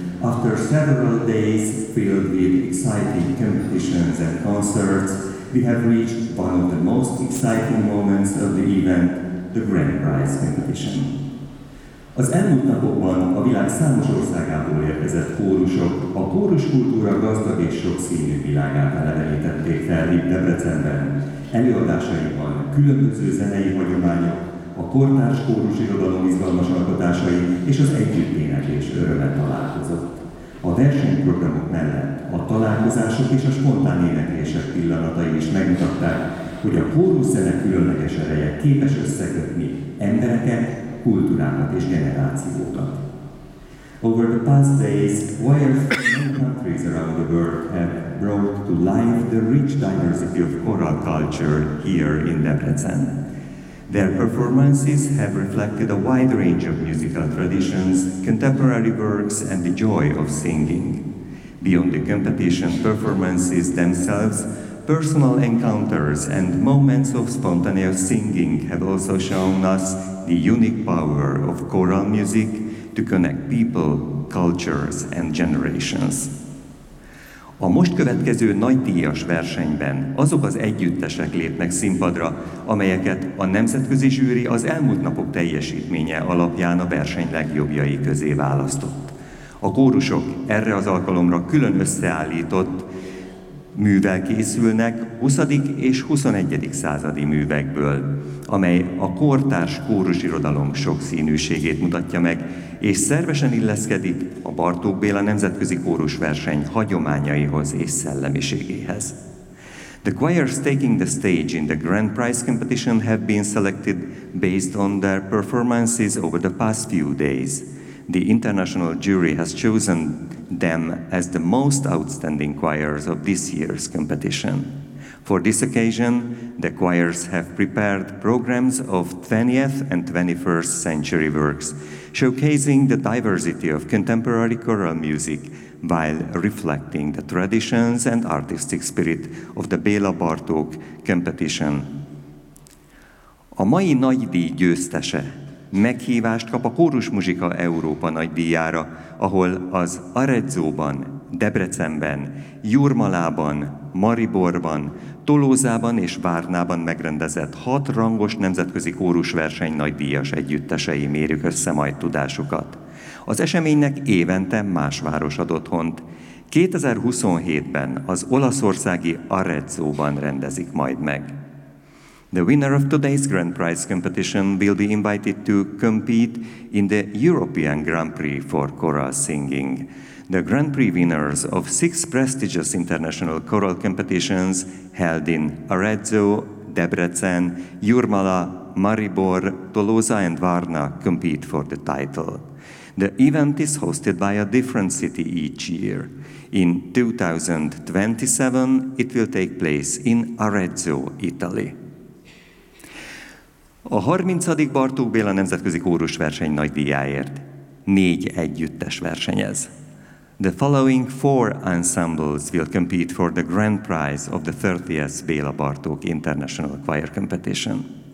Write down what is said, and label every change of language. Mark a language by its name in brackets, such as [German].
[English] After several days filled with exciting competitions and concerts, we have reached one of the most exciting moments of the event, the Grand Prize Competition. [Hungarian] Az elmúlt napokban a világ számos országából érkezett kórusok a kóruskultúra gazdag és sokszínű világát elevenítették fel itt Debrecenben. Előadásaiban különböző zenei hagyományok, a kortárs kórus irodalom izgalmas alkotásai és az együtténekés örömet találkozott. A versenyprogramok mellett a találkozások és a spontán éneklések pillanatai is megmutatták, hogy a kórus zene különleges ereje képes összekötni embereket, kultúrákat és generációkat. [English] Over the past days, choirs from many countries around the world have brought to life the rich diversity of choral culture here in Debrecen. Their performances have reflected a wide range of musical traditions, contemporary works, and the joy of singing. Beyond the competition performances themselves, personal encounters and moments of spontaneous singing have also shown us the unique power of choral music to connect people, cultures and generations. [Hungarian] A most következő nagydíjas versenyben azok az együttesek lépnek színpadra, amelyeket a nemzetközi zsűri az elmúlt napok teljesítménye alapján a verseny legjobbjai közé választott. A kórusok erre az alkalomra külön összeállított művel készülnek, 20. és 21. századi művekből, amely a kortárs kórus irodalom sokszínűségét mutatja meg, és szervesen illeszkedik a Bartók Béla Nemzetközi Kórus Verseny hagyományaihoz és szellemiségéhez. [English] The choirs taking the stage in the Grand Prize competition have been selected based on their performances over the past few days. The international jury has chosen them as the most outstanding choirs of this year's competition. For this occasion, the choirs have prepared programs of 20th and 21st century works, showcasing the diversity of contemporary choral music while reflecting the traditions and artistic spirit of the Béla Bartók competition. [Hungarian] A mai nagydíj győztese meghívást kap a Kórus Muzsika Európa nagydíjára, ahol az Arezzóban, Debrecenben, Jurmalában, Mariborban, Tolózában és Várnában megrendezett 6 rangos nemzetközi kórusverseny nagydíjas együttesei mérjük össze majd tudásukat. Az eseménynek évente más város ad otthont. 2027-ben az olaszországi Arezzóban rendezik majd meg. [English] The winner of today's Grand Prize competition will be invited to compete in the European Grand Prix for Choral Singing. The Grand Prix winners of 6 prestigious international choral competitions held in Arezzo, Debrecen, Jurmala, Maribor, Tolosa and Varna compete for the title. The event is hosted by a different city each year. In 2027, it will take place in Arezzo, Italy. [Hungarian] A 30. Bartók Béla Nemzetközi Kórusverseny nagydíjáért 4 együttes versenyez. [English] The following 4 ensembles will compete for the grand prize of the 30th Béla Bartók International Choir Competition.